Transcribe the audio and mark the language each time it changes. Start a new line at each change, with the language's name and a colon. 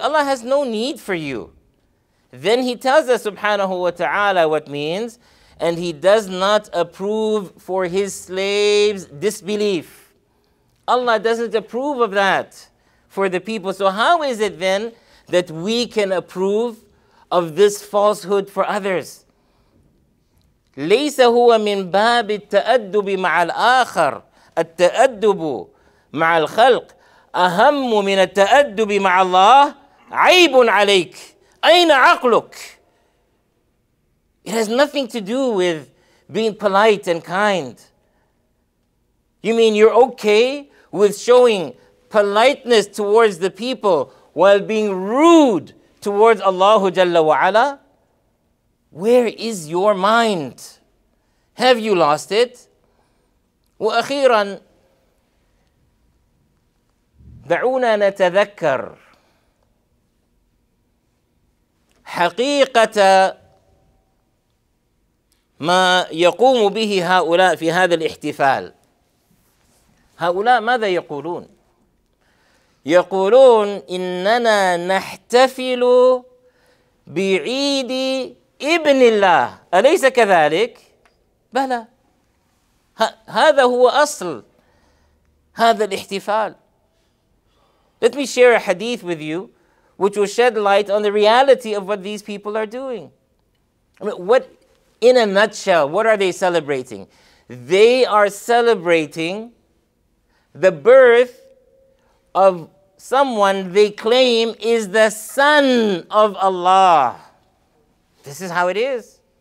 English: Allah has no need for you. Then He tells us Subhanahu wa Ta'ala what means, and He does not approve for His slaves' disbelief. Allah doesn't approve of that for the people. So how is it then that we can approve of this falsehood for others?
Arabic: ليس هو من باب التأدب مع الآخر التأدب مع الخلق أهم من التأدب مع الله عيب عليك أين عقلك.
English: It has nothing to do with being polite and kind. You mean you're okay with showing politeness towards the people while being rude towards Allahu Jalla wa Ala, where is your mind? Have you lost it?
Arabic: وَأَخِيرًا دَعُونَا نَتَذَكَّرْ حَقِيقَةَ مَا يَقُومُ بِهِ هَؤُلَاءِ فِي هَذَا الْإِحْتِفَالِ. هؤلاء ماذا يقولون؟ يقولون إننا نحتفل بعيد ابن الله، أليس كذلك؟ بلى، هذا هو أصل هذا الاحتفال.
English: Let me share a hadith with you which will shed light on the reality of what these people are doing. I mean, what, in a nutshell, what are they celebrating? They are celebrating the birth of someone they claim is the son of Allah. This is how it is.